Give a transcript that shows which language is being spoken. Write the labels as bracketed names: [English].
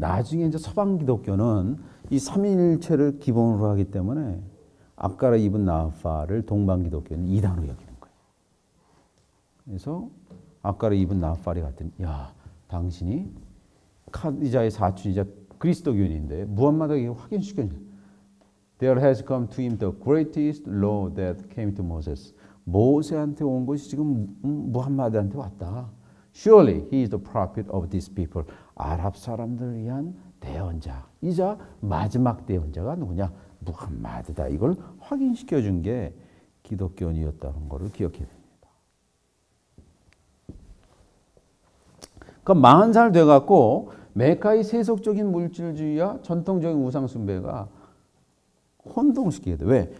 [Korean] 나중에 이제 서방기독교는 이 삼위일체를 기본으로 하기 때문에 아까라 이븐 나팔을 동방기독교는 이단으로 여기 그래서 아까를 입은 나팔이 같은 야 당신이 카디자의 사촌이자 그리스도교인인데 무함마드에게 확인시켜줘. [English] There has come to him the greatest law that came to Moses. [Korean] 모세한테 온 것이 지금 무함마드한테 왔다. [English] Surely he is the prophet of these people. [Korean] 아랍 사람들을 위한 대언자. 이자 마지막 대언자가 누구냐? 무함마드다. 이걸 확인시켜준 게 기독교인이었다는 것을 기억해야 돼. 그러니까 40살 돼갖고 메카의 세속적인 물질주의와 전통적인 우상 숭배가 혼동시키게 돼. 왜?